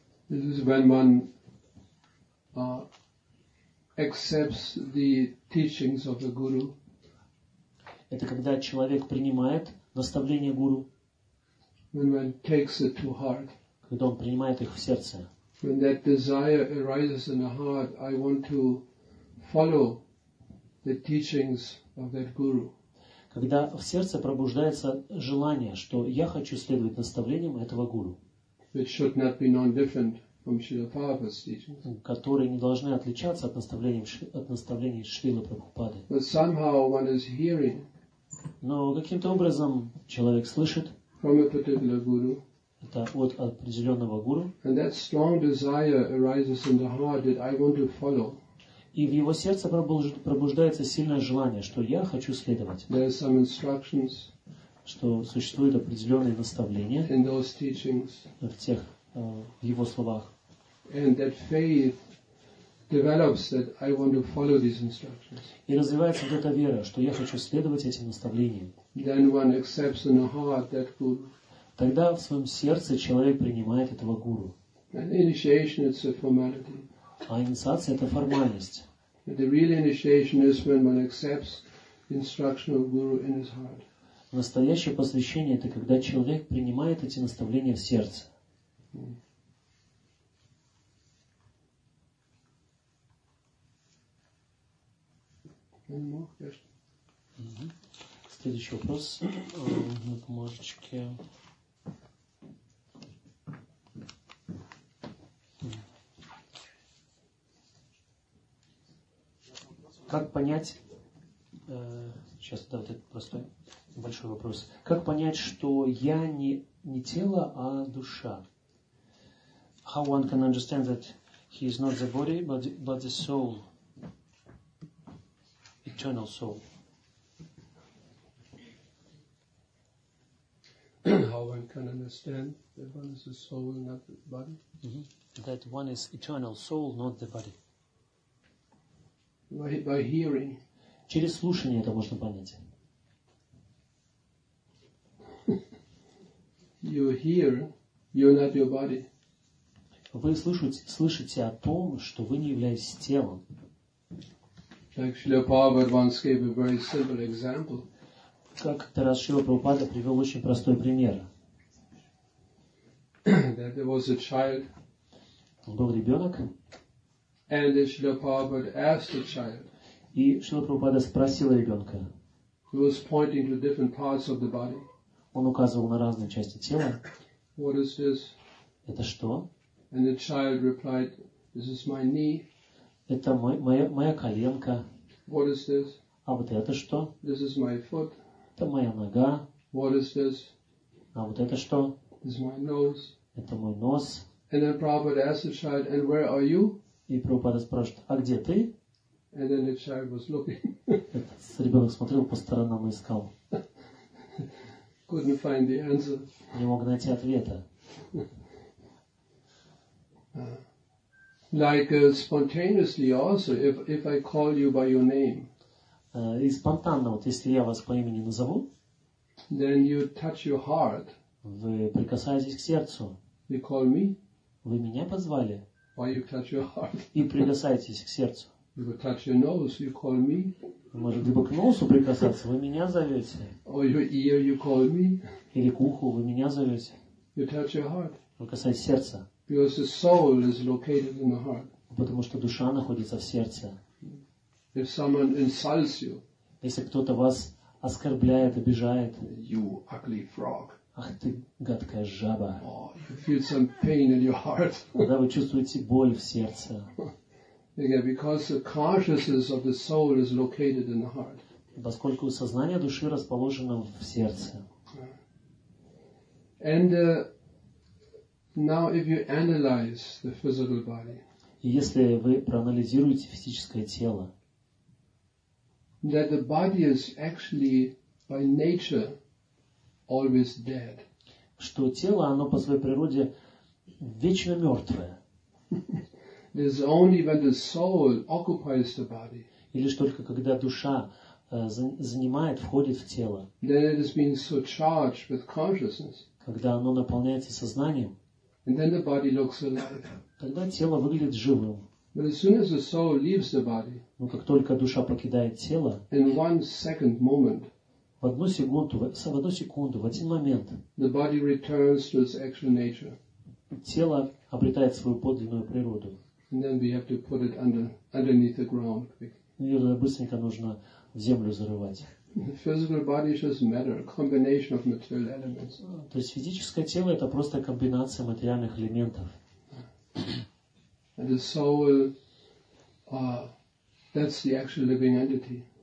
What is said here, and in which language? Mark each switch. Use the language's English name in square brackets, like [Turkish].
[English] This is when one accepts the teachings of the guru. [Russian] Это когда человек принимает наставления гуру. [English] When one takes it to heart. [Russian] Когда он принимает их в сердце. [English] When that desire arises in the heart, I want to follow the teachings of that guru. [Russian] Когда в сердце пробуждается желание, что я хочу следовать наставлениям этого гуру. [English] It should not be non-different from Śrīla Prabhupāda's teachings. [Russian] Которые не должны отличаться от наставлений Шрилы Прабхупады. [English] But somehow one is hearing. [Russian] Но каким-то образом человек слышит. [English] From a particular guru. [Russian] Это от определенного гуру. [English] And that strong desire arises in the heart that I want to follow. [Russian] И в его сердце пробуждается сильное желание, что я хочу следовать. [English] There are some instructions. [Russian] Что существуют определенные наставления. [English] In those teachings. [Russian] В тех в его словах. [English] And that faith develops that I want to follow these instructions. [Russian] И развивается вот эта вера, что я хочу следовать этим наставлениям. [English] Then one accepts in the heart that guru. [Russian] Тогда в своем сердце человек принимает этого гуру. [English] And initiation is a formality. [Russian] А инициация — это формальность. [English] The real initiation is when one accepts instruction of guru in his heart. [Russian] Настоящее посвящение — это когда человек принимает эти наставления в сердце. Следующий вопрос на бумажечке. Как понять, сейчас, да, вот этот простой, большой вопрос. Как понять, что я не тело, а душа? [English] How one can understand that he is not the body, but the soul, eternal soul? How one can understand that one is the soul, not the body? Mm-hmm. That one is eternal soul, not the body. By hearing. [Russian] Через слушание это можно понять. [English] You hear, you're not your body. [Russian] Вы слышите о том, что вы не являетесь телом. [English] Like Srila Prabhupada once gave a very simple example. [Russian] Как Тарас Шрила Прабхупада привел очень простой пример. [English] That there was a child. [Russian] Был ребенок. [English] And Srila Prabhupada asked the child. [Russian] И Шрила Прабхупада спросил ребенка. [English] He was pointing to different parts of the body. [Russian] Он указывал на разные части тела. [English] What is this? [Russian] Это что? [English] And the child replied, this is my knee. [Russian] Это моя коленка. [English] What is this? [Russian] А вот это что? [English] This is my foot. [Russian] Это моя нога. [English] What is this? [Russian] А вот это что? [English] This is my nose. [Russian] Это мой нос. [English] And then Prabhupada asked the child, and where are you? [Russian] И Прабхупада спрашивает, а где ты? [English] And then the child was looking. [Russian] Этот ребенок смотрел по сторонам и искал. [English] Couldn't find the answer. [Russian] Не мог найти ответа. [English] Like spontaneously also, if I call you by your name. [Russian] И спонтанно, вот если я вас по имени назову, [English] then you touch your heart. [Russian] Вы прикасаетесь к сердцу. [English] You call me. [Russian] Вы меня позвали. [English] Why you touch your heart? [Russian] И прикасаетесь к сердцу. [English] You could touch your nose, you call me. [Russian] Может, либо к носу прикасаться, вы меня зовете. [English] Or your ear, you call me. [Russian] Или к уху, вы меня зовете. [English] You touch your heart. [Russian] Вы касаетесь сердца. [English] Because the soul is located in the heart. [Russian] Потому что душа находится в сердце. [English] If someone insults you, [Russian] если кто-то вас оскорбляет, обижает, [English] you ugly frog. [Russian] Ах ты гадкая жаба. [English] Oh, you feel some pain in your heart. [Russian] Когда вы чувствуете боль в сердце. [English] Again, because the consciousness of the soul is located in the heart. [Russian] Поскольку сознание души расположено в сердце. [English] And now, if you analyze the physical body, [Russian] и если вы проанализируете физическое тело, [English] that the body is actually by nature always dead. [Russian] Что тело, оно по своей природе вечно мертвое. [English] It is only when the soul occupies the body. [Russian] Или лишь только когда душа занимает, входит в тело. [English] Then it is being so charged with consciousness. [Russian] Когда оно наполняется сознанием. [English] And then the body looks alive. [Russian] Тогда тело выглядит живым. [English] But as soon as the soul leaves the body. [Russian] Но как только душа покидает тело. [English] In one second moment. [Russian] В одну секунду, в один момент. [English] The body returns to its actual nature. [Russian] Тело обретает свою подлинную природу. [English] And then we have to put it underneath the ground. [Russian] Её быстренько нужно в землю зарывать. [English] The physical body is just matter, a combination of material elements. [Russian] То есть физическое тело — это просто комбинация материальных элементов. [English] And the soul, that's the actual living entity.